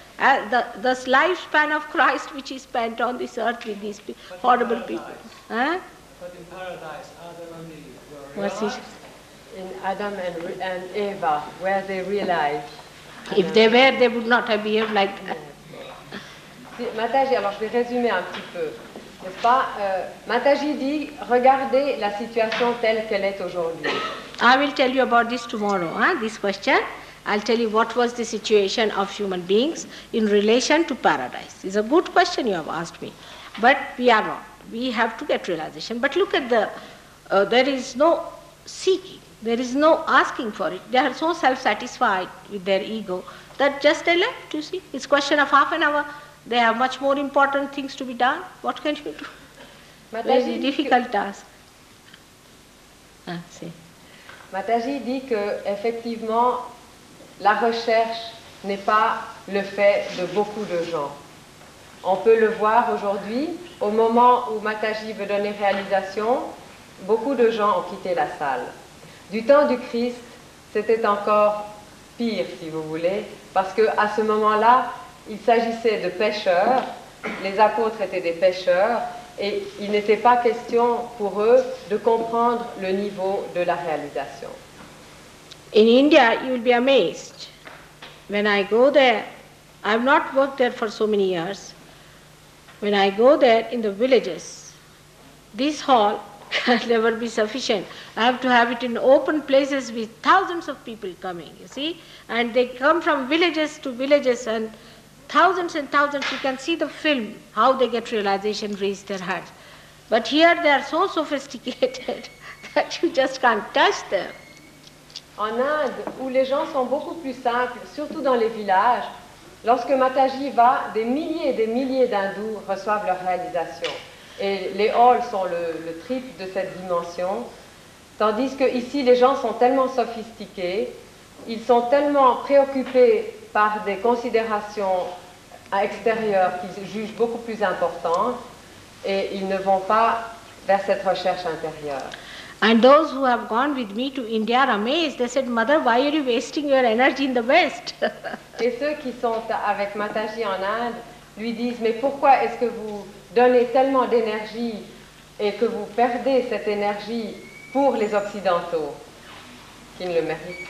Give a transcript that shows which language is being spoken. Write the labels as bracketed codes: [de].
[en] The lifespan of Christ which he spent on this earth with these horrible people. Huh? But in paradise, Adam and Eve were realized. In Adam and Eva, where they realized. If they were, they would not have behaved like that. [fr] Mataji, alors je vais résumer un petit peu. N'est-ce pas? Mataji dit, regardez la situation telle qu'elle est aujourd'hui. [en] I will tell you about this tomorrow, this question. I'll tell you what was the situation of human beings in relation to paradise. It's a good question you have asked me. But we are wrong. We have to get realization. But look at there is no seeking. There is no asking for it. They are so self-satisfied with their ego that just they left, you see. It's a question of half an hour. They have much more important things to be done. What can you do? Mataji, very difficult task. [fr] Mataji dit que effectivement la recherche n'est pas le fait de beaucoup de gens. On peut le voir aujourd'hui, au moment où Mataji veut donner réalisation, beaucoup de gens ont quitté la salle. Du temps du Christ, c'était encore pire, si vous voulez, parce qu'à ce moment-là, il s'agissait de pêcheurs, les apôtres étaient des pêcheurs, et il n'était pas question pour eux de comprendre le niveau de la réalisation. [en] In India, you'll be amazed. When I go there, I've not worked there for so many years. When I go there in the villages, this hall can never be sufficient. I have to have it in open places with thousands of people coming, you see. And they come from villages to villages and thousands, you can see the film, how they get realization, raise their hands. But here they are so sophisticated that you just can't touch them. [fr] En Inde, où les gens sont beaucoup plus simples, surtout dans les villages, lorsque Mataji va, des milliers d'hindous reçoivent leur réalisation. Et les halls sont le triple de cette dimension. Tandis que ici, les gens sont tellement sophistiqués, ils sont tellement préoccupés par des considérations extérieures qu'ils jugent beaucoup plus importantes, et ils ne vont pas vers cette recherche intérieure. [en] And those who have gone with me to India are amazed. They said, Mother, why are you wasting your energy in the West? [fr] Et ceux qui sont avec Mataji en Inde lui disent, mais pourquoi est-ce que vous donnez tellement d'énergie et que vous perdez cette énergie pour les Occidentaux qui ne le méritent?